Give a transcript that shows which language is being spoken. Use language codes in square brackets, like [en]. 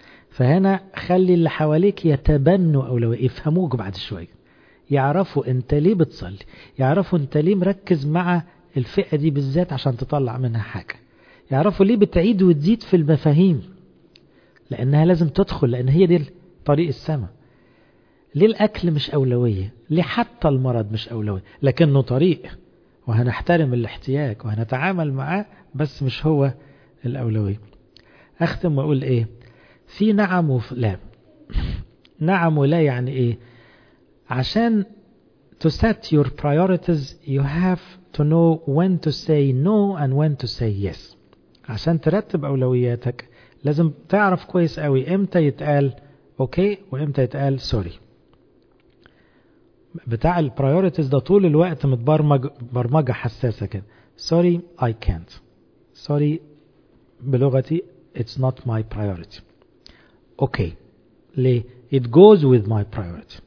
[ar] فهنا خلي اللي حواليك يتبنوا او لو يفهموك بعد شوية، يعرفوا انت ليه بتصلي، يعرفوا انت ليه مركز مع الفئة دي بالذات عشان تطلع منها حاجة، يعرفوا ليه بتعيد وتزيد في المفاهيم لانها لازم تدخل، لان هي دي طريق السماء. ليه الاكل مش اولوية؟ ليه حتى المرض مش اولوية؟ لكنه طريق وهنحترم الاحتياج وهنتعامل معاه، بس مش هو الاولوية. اختم واقول ايه؟ في نعم ولا. نعم ولا يعني ايه؟ عشان [en] to set your priorities you have to know when to say no and when to say yes. [ar] عشان ترتب اولوياتك لازم تعرف كويس قوي امتى يتقال اوكي وامتى يتقال سوري. بتاع البرايوريتيز ده طول الوقت متبرمج برمجة حساسة كده، سوري اي كانت، سوري بلغتي [en] it's not my priority, [ar] اوكي ليه ات جوز وذ ماي برايوريتي.